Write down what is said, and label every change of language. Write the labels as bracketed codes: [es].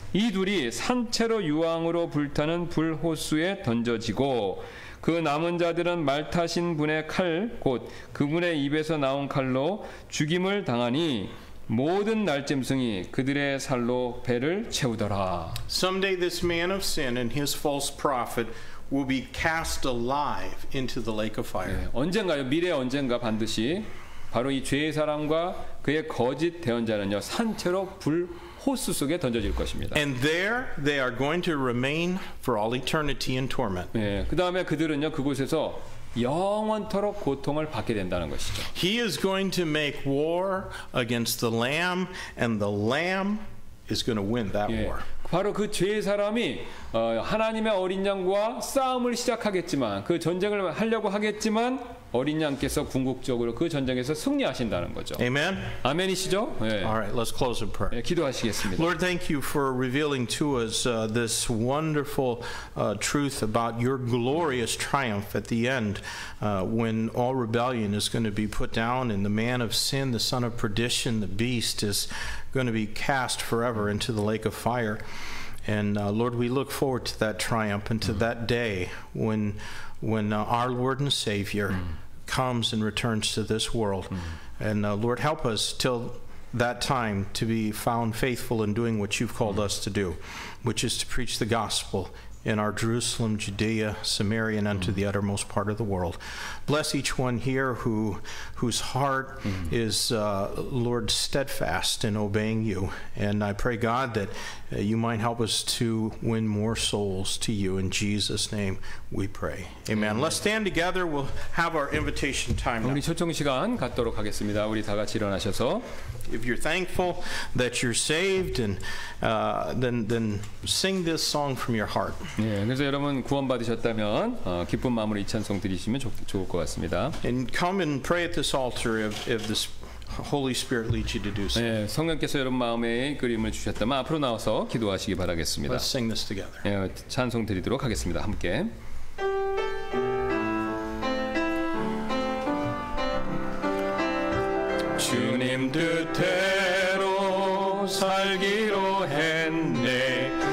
[ko] 이 둘이 산채로 유황으로 불타는 불호수에 던져지고 그 남은 자들은 말 타신 분의 칼 곧 그분의 입에서 나온 칼로 죽임을 당하니 모든 날짐승이 그들의 살로 배를 채우더라. [en] Someday this man of sin and his false prophet will be cast alive into the lake of fire. [ko] 예, 언젠가요, 미래에 언젠가 반드시 바로 이 죄의 사람과 그의 거짓 대언자는요, 산채로 불 호수 속에 던져질 것입니다. [en] And there they are going to remain for all eternity in torment. [ko] 예, 그다음에 그들은요, 그곳에서 영원토록 고통을 받게 된다는 것이죠. [en] He is going to make war against the lamb and the lamb is going to win that war. [ko] 바로 그 죄의 사람이 하나님의 어린 양과 싸움을 시작하겠지만 그 전쟁을 하려고 하겠지만 어린 양께서 궁극적으로 그 전쟁에서 승리하신다는 거죠. 아멘. 아멘이시죠? [en] 예. All right, let's close in prayer. [ko] 예, 기도하시겠습니다. [en] Lord, thank you for revealing to us this wonderful truth about your glorious triumph at the end when all rebellion is going to be put down and the man of sin, the son of perdition, the beast is going to be cast forever into the lake of fire. And Lord, we look forward to that triumph and to that day when our Lord and Savior comes and returns to this world. And Lord, help us till that time to be found faithful in doing what you've called us to do, which is to preach the gospel in our Jerusalem, Judea, Samaria, and unto the uttermost part of the world. Bless each one here whose heart is, Lord, steadfast in obeying you. And I pray, God, that you might help us to win more souls to you. In Jesus' name we pray. Amen. Amen. Let's stand together. We'll have our invitation time now. [ko] 우리 초청 시간 갖도록 하겠습니다. 우리 다 같이 일어나셔서. [en] If you're thankful that you're saved, and then sing this song from your heart. [ko] 예, 그래서 여러분 구원받으셨다면 기쁜 마음으로 이 찬송 드리시면 좋을 것 같습니다. [en] And come and pray at this altar if this Holy Spirit leads you to do so. [ko] 예, 성령께서 여러분 마음에 그림을 주셨다면 앞으로 나와서 기도하시기 바라겠습니다. [en] Let's sing this together. [ko] 예, 찬송 드리도록 하겠습니다. 함께. 주님 뜻대로 살기로 했네.